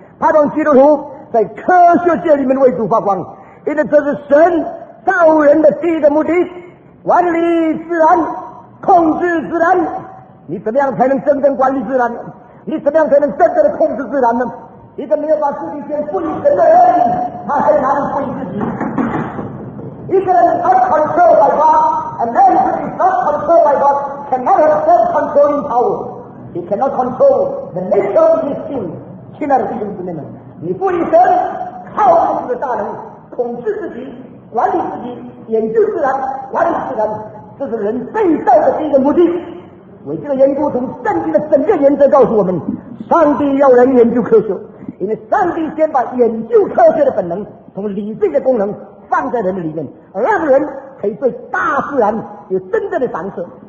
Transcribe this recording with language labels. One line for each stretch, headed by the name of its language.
Chinese: 他让基督徒在科学界里面为主发光，因为这是神造人的第一个目的，管理自然，控制自然。你怎么样才能真正管理自然？你怎么样才能真正的控制自然呢？一个没有把自己先赋予神的人，他很难赋予自己。一个人
English: not controlled by God, a man who is not controlled by God cannot have self-controlling power. He cannot control the nature of his sin.
Chinese: 亲爱的弟兄姊妹们，你赋予神靠自己的大能统治自己，管理自己，研究自然，管理自然，这是人被造的第一个目的。为这个缘故，从圣经的整个原则告诉我们，上帝要人研究科学，因为上帝先把研究科学的本能从理性的功能放在人的里面，让人可以对大自然有真正的反射。